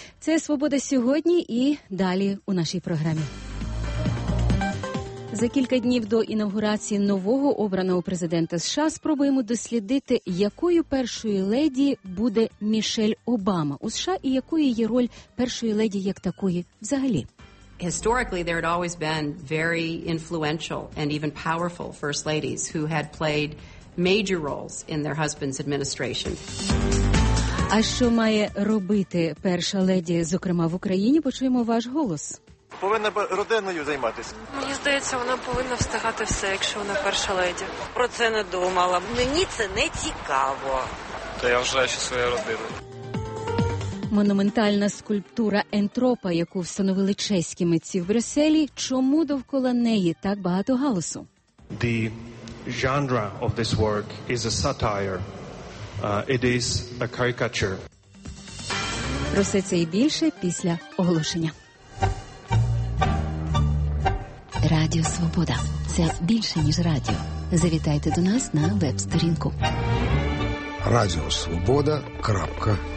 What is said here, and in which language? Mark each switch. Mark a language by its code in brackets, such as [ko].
[uk] Це «Свобода сьогодні» і далі у нашій програмі. За кілька днів до інавгурації нового обраного президента США спробуємо дослідити, якою першою леді буде Мішель Обама у США і якою є роль першої леді як такої взагалі. [en] Historically, there had always been very influential and even powerful first ladies who had played major roles in their husband's administration. [uk] А що має робити перша леді, зокрема в Україні, почуємо ваш голос. Повинна родиною займатися. Мені здається, вона повинна встигати все, якщо вона перша леді. Про це не думала. Мені це не цікаво. Та я вже ще своєю родиною. Монументальна скульптура «Ентропа», яку встановили чеські митці в Брюсселі, чому довкола неї так багато галасу? [en] The genre of this work is a satire. It is a caricature. [uk] Про все це і більше після оголошення. Радіо «Свобода» – це більше, ніж радіо. Завітайте до нас на веб-сторінку. radiosvoboda.ua.